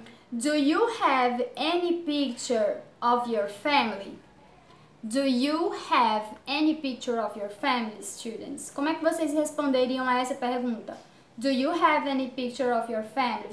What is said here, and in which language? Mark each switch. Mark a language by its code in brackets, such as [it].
[en] Do you have any picture of your family? Do you have any picture of your family, students? [pt] Como é que vocês responderiam a essa pergunta? [en] Do you have any picture of your family?